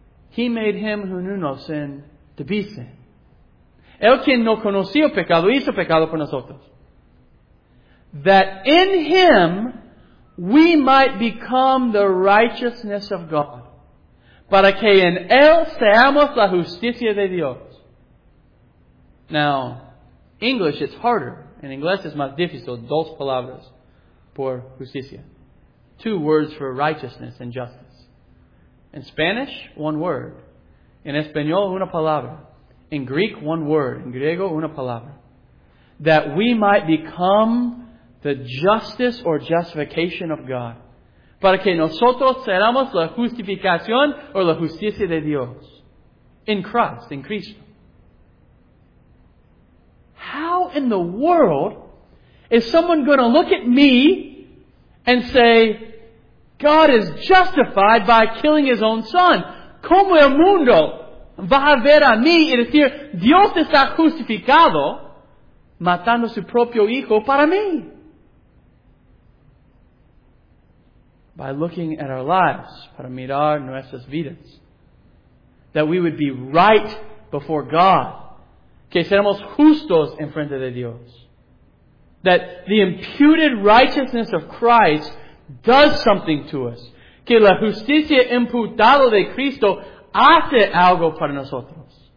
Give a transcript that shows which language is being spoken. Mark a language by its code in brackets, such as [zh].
[en] He made him who knew no sin to be sin. [es] El quien no conoció pecado hizo pecado por nosotros. [en] That in him we might become the righteousness of God. [es] Para que en él seamos la justicia de Dios. [en] Now, English it's harder. [es] En inglés es más difícil. Dos palabras por justicia. [en] Two words for righteousness and justice. In Spanish, one word. In [es] Español, una palabra. [en] In Greek, one word. In [es] Griego, una palabra. [en] That we might become the justice or justification of God. [es] Para que nosotros seamos la justificación o la justicia de Dios. In Christ, in Cristo. [en] How in the world is someone going to look at me and say, God is justified by killing his own son. [es] ¿Cómo el mundo va a ver a mí y decir, Dios está justificado matando su propio hijo para mí? [en] By looking at our lives, [es] para mirar nuestras vidas, [en] that we would be right before God, [es] que seamos justos en frente de Dios, [en] that the imputed righteousness of Christ does something to us. [es] Que la justicia imputada de Cristo hace algo para nosotros.